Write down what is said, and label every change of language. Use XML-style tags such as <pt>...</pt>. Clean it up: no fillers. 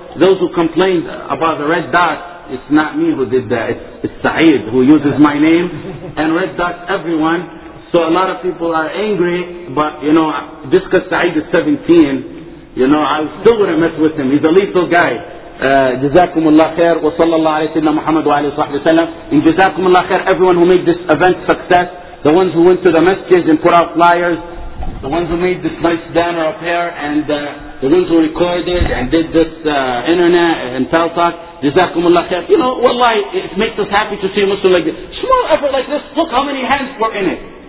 <en>Those who complained about the red dot, it's not me who did that, it's Saeed who uses my name, and red dots everyone. So So a lot of people are angry, but you know, just because Saeed is 17, you know, I still wouldn't mess with him. He's a lethal guy.</en> <ar>جزاكم الله خير وصلى الله على سيدنا محمد وعلى صحبه وسلم.</ar> <en>And</en> <ar>جزاكم الله خير</ar> <en>everyone who made this event success, the ones who went to the messages and put out flyers, the ones who made this nice banner up here, and the ones who recorded and did this internet and tell talk.</en> <ar>جزاكم الله خير.</ar> <en>You know, والله it makes us happy to see a Muslim like this. Small effort like this, look how many hands were in it.</en>